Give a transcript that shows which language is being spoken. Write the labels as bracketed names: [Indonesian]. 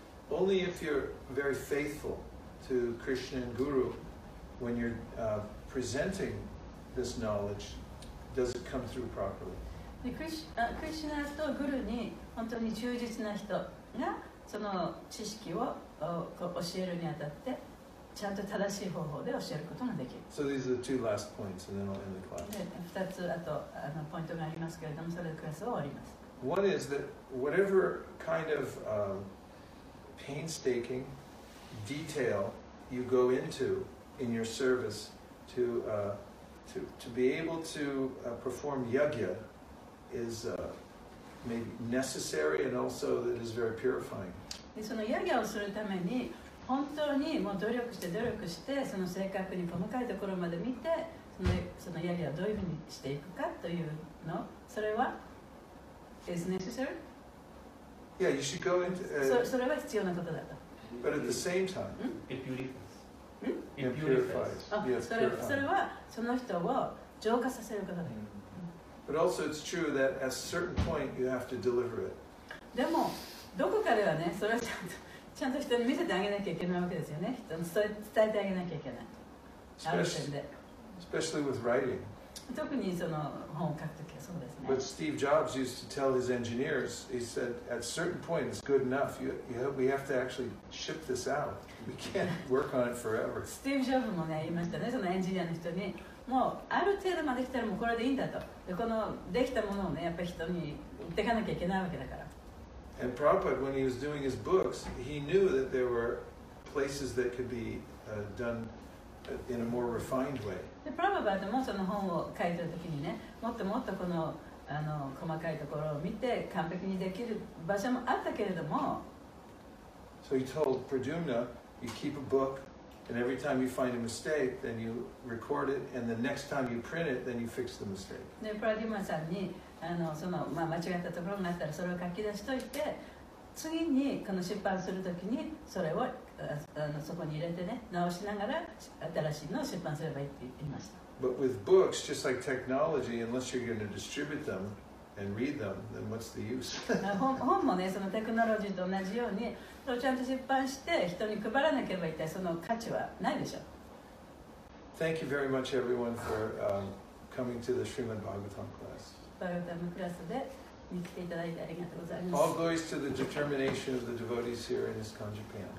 [English] Only if you're very faithful to Krishna and Guru when you're presenting this knowledge does it come through properly. [Japanese] でクリシナとグルに本当に忠実な人がその知識を教えるにあたってちゃんと正しい方法で教えることができる。 [English] So these are the two last points and then I'll end the class. [Japanese] で、2つあとあのポイントがありますけれども、それでクラスを終わります。 [English] One is that whatever kind of painstaking detail you go into in your service to be able to perform yagya,is maybe necessary and also that is very purifying. [Japanese] そのヤギャをするために本当にもう努力してその正確に細かいところまで見てそのヤギャをどういうふうにしていくかというのそれは [English] is necessary? Yeah, you should go into [Japanese] それは必要なことだと。 [English] But at the same time, it purifies. [Japanese] それはその人を浄化させることだ。 [English] But also it's true that at a certain point you have to deliver it. [Japanese] でもどこかではね、それはちゃんと人に見せてあげなきゃいけないわけですよね。人に伝えてあげなきゃいけない。 [English] Especially with writing. [Japanese] 特にその本を書くときはそうですね。 [English] But Steve Jobs used to tell his engineers, he said, at a certain point it's good enough. We have to actually ship this out. We can't work on it forever. [Japanese] Steve Jobs もね、言いましたね、そのエンジニアの人に。もうある程度まで来たらもうこれでいいんだと。でこのできたものをね、やっぱり人に売っていかなきゃいけないわけだから。 [English] And Prabhupada, when he was doing his books, he knew that there were places that could be done in a more refined way. [Japanese] で、Prabhupada もその本を書いてるときにね、もっともっとこの、あの細かいところを見て完璧にできる場所もあったけれども。 [English] So he told Pradyumna, you keep a book. And every time you find a mistake, then you record it, and the next time you print it, then you fix the mistake. [Japanese] で、プラディマさんに、あの、その、まあ、間違ったところがあったら、それを書き出しといて、次にこの出版するときに、それをあの、そこに入れてね、直しながら、新しいのを出版すればいいって言っていました。 [English] But with books, just like technology, unless you're going to distribute them and read them, then what's the use? [Japanese] 本もね、そのテクノロジーと同じようにそれをちゃんと出版して人に配らなければ一体その価値はないでしょ。 [English] Thank you very much everyone for coming to the Srimad Bhagavatam class. [Japanese] バルタムクラスで見つけていただいてありがとうございます。 [English] All glories to the determination of the devotees here in ISKCON Japan.